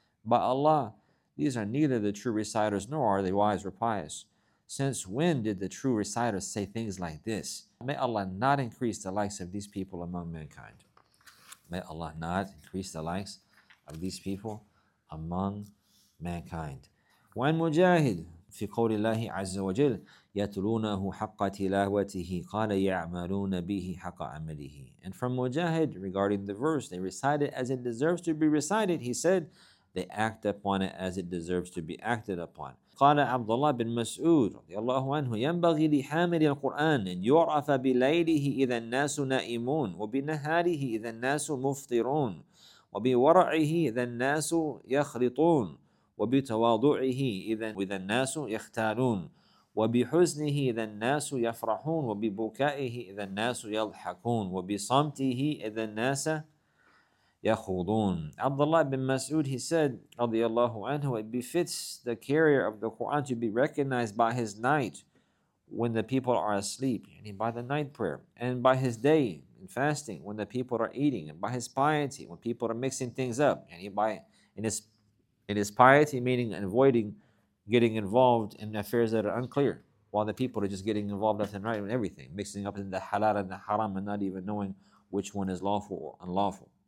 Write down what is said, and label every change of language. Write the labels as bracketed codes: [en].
[en] By Allah, these are neither the true reciters nor are they wise or pious. Since when did the true reciters say things like this? May Allah not increase the likes of these people among mankind. May Allah not increase the likes of these people among mankind. When Mujahid, [ar] في قول الله عز وجل يتلونه حق تلاوته قال يعملون به حق عمله. [en] And from Mujahid, regarding the verse, they recite it as it deserves to be recited, he said, they act upon it as it deserves to be acted upon. [ar] قال عبد الله بن مسعود رضي الله عنه ينبغي لحامل القرآن أن يعرف بليله إذا الناس نائمون وبنهاره إذا الناس مفطرون وبورعه إذا الناس يخلطون وبتواضعه إذا الناس يختالون وبحزنه إذا الناس يفرحون وببكائه إذا الناس يضحكون وبصمته إذا الناس يخوضون. [en] Abdullah bin Mas'ud, he said, radiallahu anhu, it befits the carrier of the Quran to be recognized by his night when the people are asleep, and by the night prayer, and by his day in fasting when the people are eating, and by his piety when people are mixing things up, and in his piety, meaning avoiding getting involved in affairs that are unclear, while the people are just getting involved left and right in everything, mixing up in the halal and the haram and not even knowing which one is lawful or unlawful.